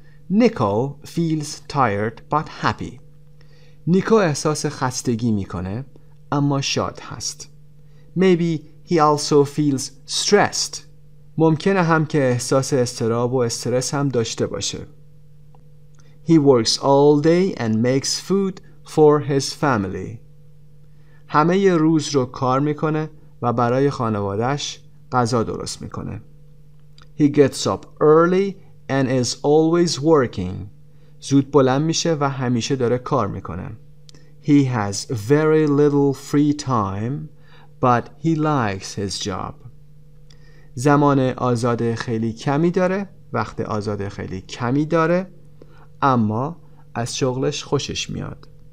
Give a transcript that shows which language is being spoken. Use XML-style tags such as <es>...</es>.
<en>Niko feels tired but happy.</en> <fa>نیکو احساس خستگی میکنه اما شاد هست.</fa> <en>Maybe he also feels stressed.</en> <fa>ممکنه هم که احساس استراب و استرس هم داشته باشه.</fa> <en>He works all day and makes food for his family.</en> <fa>همه ی روز رو کار میکنه و برای خانوادش غذا درست میکنه.</fa> <en>He gets up early and is always working.</en> <fa>زود بلند میشه و همیشه داره کار میکنه.</fa> <en>He has very little free time, but he likes his job.</en> <fa>زمان آزاد خیلی کمی داره، وقت آزاد خیلی کمی داره، اما از شغلش خوشش میاد.</fa>